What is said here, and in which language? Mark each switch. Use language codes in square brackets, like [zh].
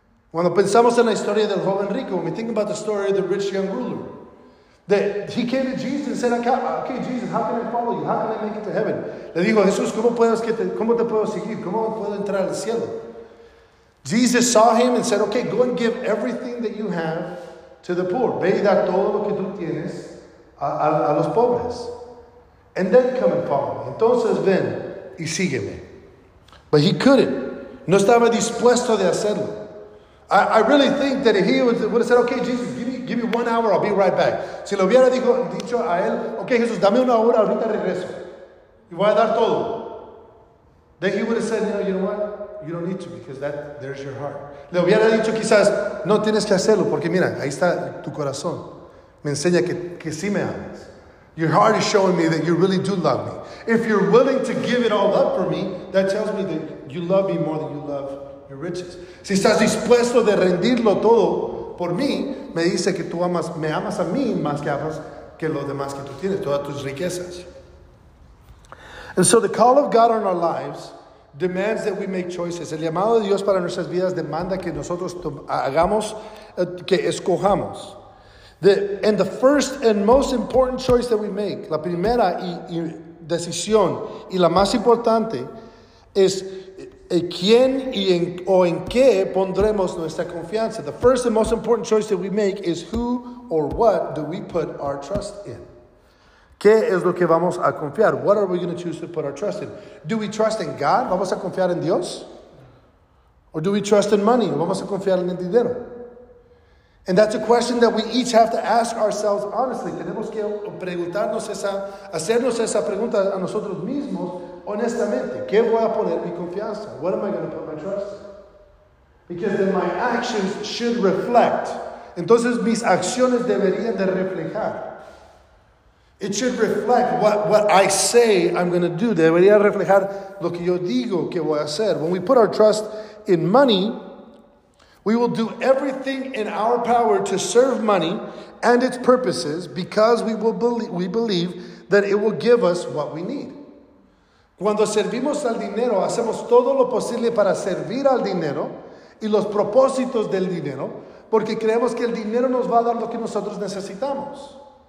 [es] Cuando pensamos en la historia del joven rico, [en] when we think about the story of the rich young ruler, that he came to Jesus and said, "Okay, Jesus, how can I follow you? How can I make it to heaven?" [es] Le dijo, Jesús, ¿cómo te puedo seguir? ¿Cómo puedo entrar al cielo? [en] Jesus saw him and said, "Okay, go and give everything that you have to the poor. [es] Ve y da todo lo que tú tienes a los pobres. [en] And then come and follow me." [es] Entonces ven y sígueme. [en] But he couldn't. [es] No estaba dispuesto de hacerlo. [en] I really think that he would have said, "Okay, Jesus, give me 1 hour, I'll be right back." [es] Si lo hubiera dicho a él, "Okay, Jesús, dame una hora, ahorita regreso. Y voy a dar todo." [en] Then he would have said, "No, you know what? You don't need to, because that there's your heart." [es] Le hubiera dicho quizás, "No tienes que hacerlo, porque mira, ahí está tu corazón. Me enseña que sí me amas. [en] Your heart is showing me that you really do love me. If you're willing to give it all up for me, that tells me that you love me more than you love your riches." [es] Si estás dispuesto de rendirlo todo por mí, me dice que tú amas, me amas a mí más que amas que lo demás que tú tienes, todas tus riquezas. [en] And so the call of God on our lives demands that we make choices. [es] El llamado de Dios para nuestras vidas demanda que nosotros hagamos, que escojamos. [en] And the first and most important choice that we make, [es] la primera y decisión y la más importante, es quién y en qué pondremos nuestra confianza. [en] The first and most important choice that we make is who or what do we put our trust in. [es] ¿Qué es lo que vamos a confiar? [en] What are we going to choose to put our trust in? Do we trust in God? [es] ¿Vamos a confiar en Dios? [en] Or do we trust in money? [es] ¿Vamos a confiar en el dinero? [en] And that's a question that we each have to ask ourselves honestly. [es] Tenemos que preguntarnos hacernos esa pregunta a nosotros mismos honestamente. ¿Qué voy a poner mi confianza? [en] What am I going to put my trust in? Because then my actions should reflect. [es] Entonces mis acciones deberían de reflejar. [en] It should reflect what I say I'm going to do. [es] Debería reflejar lo que yo digo que voy a hacer. [en] When we put our trust in money, we will do everything in our power to serve money and its purposes because we believe that it will give us what we need. [es] Cuando servimos al dinero, hacemos todo lo posible para servir al dinero y los propósitos del dinero porque creemos que el dinero nos va a dar lo que nosotros necesitamos.